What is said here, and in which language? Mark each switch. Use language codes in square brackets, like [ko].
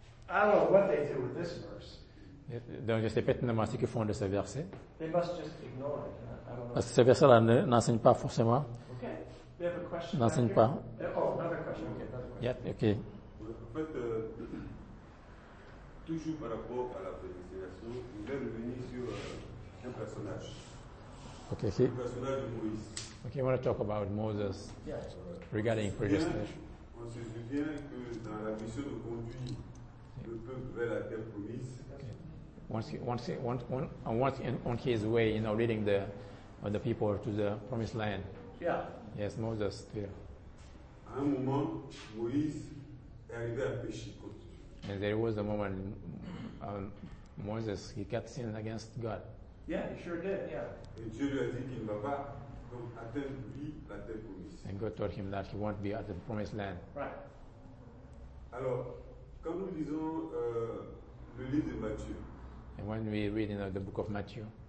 [en] I don't know what they do with this verse. [fr] Donc, je sais pertinemment ce qu'ils font de ce verset. [en] They must just ignore it. I don't know. [fr] Parce que ce verset-là n'enseigne pas forcément. [en] Okay. We have a question. [fr] N'enseigne pas. [en] Oh, another question. Okay. Another question. Yeah. Okay. [fr] En fait, toujours par rapport à la prédestination, je vais revenir sur un personnage. [en] Okay. [fr] Le personnage de Moïse. [en] Okay, I want to talk about Moses regarding predestination. [fr] On se souvient que dans la mission de conduire le peuple vers la terre promise. [en] Once on his way, you know, leading the people to the promised land. Yeah. Yes, Moses still. [fr] À un moment, Moïse est arrivé à pécher contre Dieu. [en] And there was a moment Moses he got sin against God. Yeah, he sure did. Yeah. [fr] Et Dieu lui a dit qu'il ne va pas. Donc, atteindre la terre promise. [en] And God told him that he won't be at the promised land. Right. [fr] Alors, quand nous lisons le livre de Matthieu. [en] And when we read in the book of Matthew.